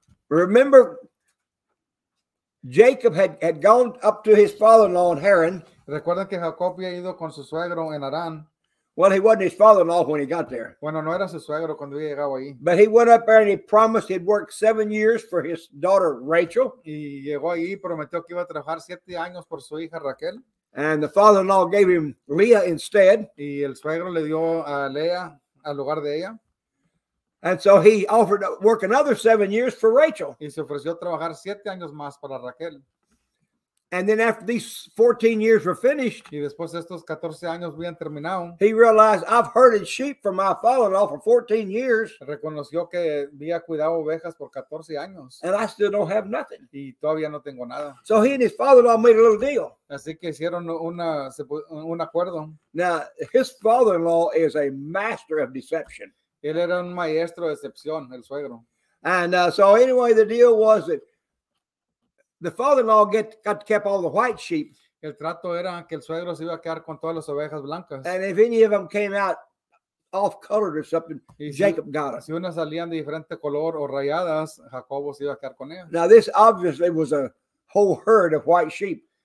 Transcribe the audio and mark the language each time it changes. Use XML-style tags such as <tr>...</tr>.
<en>Remember, Jacob had gone up to his father-in-law in Haran.</en> <es>Recuerden que Jacob había ido con su suegro en Harán.</es> <en>Well, he wasn't his father-in-law when he got there.</en> <es>Bueno, no era su suegro cuando había llegado ahí.</es> <en>But he went up there and he promised he'd work 7 years for his daughter Rachel.</en> <es>Y llegó ahí y prometió que iba a trabajar 7 años por su hija Raquel.</es> <en>And the father-in-law gave him Leah instead.</en> <es>Y el suegro le dio a Leah al lugar de ella.</es> <en>And so he offered to work another 7 years for Rachel.</en> <es>Y se ofreció trabajar 7 años más para Raquel.</es> <en>And then after these 14 years were finished,</en> <es>y después de estos 14 años habían terminado,</es> <en>he realized, I've herded sheep for my father-in-law for 14 years.</en> <es>Reconoció que había cuidado ovejas por 14 años.</es> <en>And I still don't have nothing.</en> <es>Y todavía no tengo nada.</es> <en>So he and his father-in-law made a little deal.</en> <es>Así que hicieron un acuerdo.</es> <en>Now, his father-in-law is a master of deception.</en> <es>Él era un maestro de decepción, el suegro.</es> <en>And so anyway, the deal was that The father-in-law kept all the white sheep.</en> <es>El trato era que el suegro se iba a quedar con todas las ovejas blancas.</es> <en>And if any of them came out off-colored or something,</en> <es>si,</es> <en>Jacob got them.</en> <es>Si unas salían de diferente color o rayadas, Jacobo se iba a quedar con ellas.</es> <en>Now this obviously was a whole herd of white sheep.</en>